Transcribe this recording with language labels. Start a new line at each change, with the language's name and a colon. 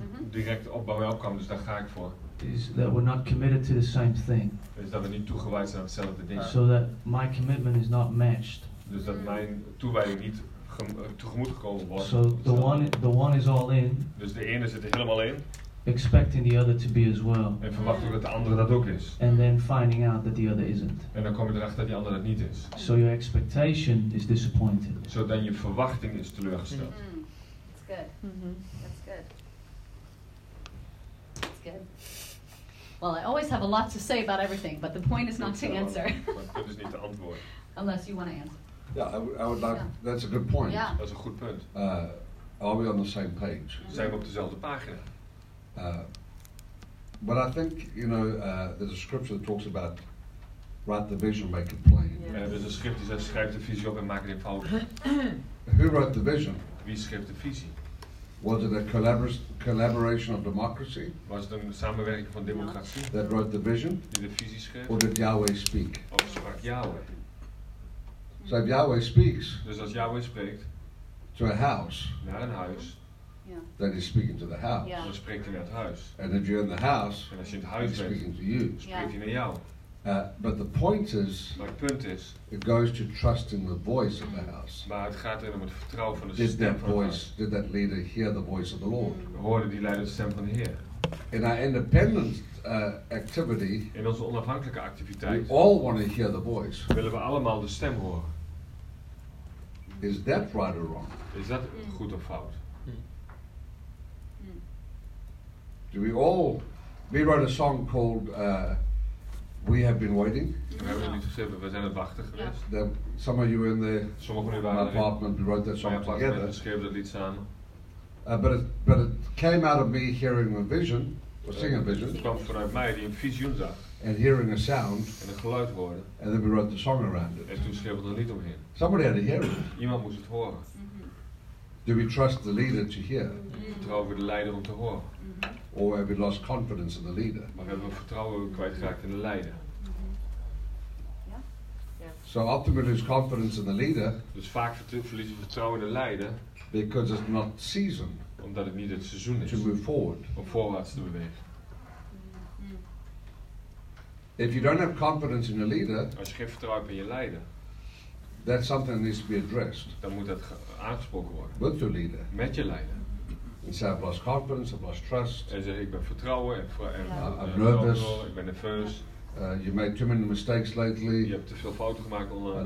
Dutch: Direct op bij mij opkwam, dus daar ga ik voor.
English: Is that we're not committed to the same thing.
Dutch: Is dat we niet toegewijd zijn aan hetzelfde ding.
English: So that my commitment is not matched.
Dutch: Dus dat mijn toewijding niet tegemoet gekomen wordt.
English: So the one is all in.
Dutch: Dus de ene zit er helemaal in.
English: Expecting the other to be as well.
Dutch: En verwacht ook dat de andere dat ook is.
English: And then finding out that the other isn't.
Dutch: En dan kom je erachter dat die andere dat niet is.
English: So your expectation is disappointed. So then
Dutch: je verwachting is teleurgesteld.
English: Mm-hmm. That's good. Well, I always have a lot to say about everything, but the point is not to answer.
Dutch: Maar het is niet te antwoorden.
English: Unless you want to answer. Yeah, I would like. That's a good point. Yeah.
Dutch: Dat is een goed punt.
English: Are we on the same page? Mm-hmm.
Dutch: Zijn we op dezelfde pagina?
English: But I think, you know, there's a scripture that talks about write the vision, make it plain. There's a script that says
Dutch: schrijf de visie op en maak het eenvoudig.
English: Who wrote the vision?
Dutch: Wie schreef de visie?
English: Was it a collaboration of democracy?
Dutch: Was het een samenwerking van democratie?
English: No. That wrote the vision?
Dutch: Die de visie schreef?
English: Or did Yahweh speak?
Dutch: Of sprak Yahweh?
English: So if Yahweh speaks.
Dutch: Dus als Yahweh spreekt.
English: To a house.
Dutch: Naar een huis.
English: Yeah. Then he's speaking to the house. Yeah.
Dutch: Dan spreekt hij naar het huis.
English: And if you're in the house,
Dutch: en als je in het huis
English: he's speaking to you.
Dutch: Spreekt hij naar jou.
English: But the point is,
Dutch: maar het punt is,
English: it goes to trusting the voice of the house.
Dutch: Maar het gaat erin om het vertrouwen van de
English: did
Dutch: stem
English: that voice,
Dutch: van
English: de did that leader hear the voice of the Lord?
Dutch: Hoorde die leider de stem van de Heer?
English: In our independent activity,
Dutch: in onze onafhankelijke activiteit,
English: we all want to hear the voice.
Dutch: Willen we allemaal de stem horen?
English: Is that right or wrong?
Dutch: Is dat goed of fout?
English: Do we all? We wrote a song called "We Have Been Waiting."
Dutch: We hebben het niet geschreven. We zijn het wachten geweest.
English: Yeah. Some of you in the apartment, we wrote that song together.
Dutch: We schreven dat lied samen.
English: But it came out of me hearing a vision, or seeing a vision.
Dutch: Het kwam vanuit mij die een visioen zag.
English: And hearing a sound.
Dutch: En een geluid hoorde.
English: And then we wrote the song around it.
Dutch: En toen schreven we er lied omheen.
English: Somebody had to hear it.
Dutch: Iemand moest het horen.
English: Do we trust the leader to hear?
Dutch: Vertrouwen we de leider om te horen?
English: Or have we lost confidence in the leader?
Dutch: Maar hebben we vertrouwen kwijtgeraakt in de leider?
English: So often we lose confidence in the leader.
Dutch: Dus vaak verliezen we vertrouwen in de leider.
English: Because it's not season.
Dutch: Omdat het niet het seizoen is.
English: To move forward.
Dutch: Om voorwaarts te bewegen.
English: If you don't have confidence in your leader.
Dutch: Als je geen vertrouwen hebt in je leider.
English: That's something that needs to be addressed.
Dutch: Dan moet dat aangesproken worden.
English: With your leader.
Dutch: Met je leider.
English: And say, I've lost confidence, I've lost trust.
Dutch: En zeg, ik ben vertrouwen.
English: I'm nervous.
Dutch: Ik ben nerveus.
English: You made too many mistakes lately.
Dutch: Je hebt te veel fouten gemaakt onlangs.